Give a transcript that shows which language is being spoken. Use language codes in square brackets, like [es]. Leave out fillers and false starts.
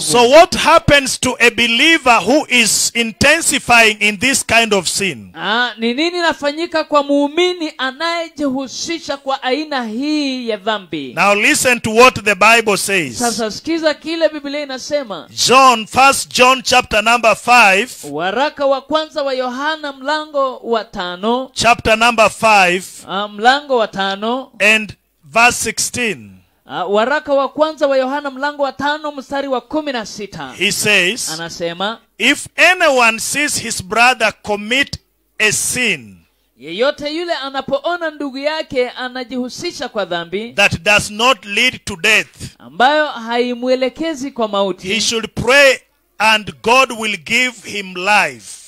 [en] So what happens to a believer who is intensifying in this kind of sin? [sw] Ni nini nafanyika kwa muumini anayejihusisha kwa aina hii ya dhambi? [en] Now listen to what the Bible says. [sw] Sasa sikiza kile Biblia inasema. [en] John, 1 John chapter number 5. [sw] Waraka wa kwanza wa Yohana mlango wa 5. [en] Chapter number [sw] 5. Mlango wa 5. [en] And verse 16. [sw] Waraka wa kwanza wa Yohana mlango wa 5 mstari wa 16. [en] He says, [sw] anasema, [en] if anyone sees his brother commit a sin, [sw] Yeyote yule anapoona ndugu yake anajihusisha kwa dhambi. [en] That does not lead to death. [sw] Ambayo haimuelekezi kwa mauti. [en] He should pray and God will give him life.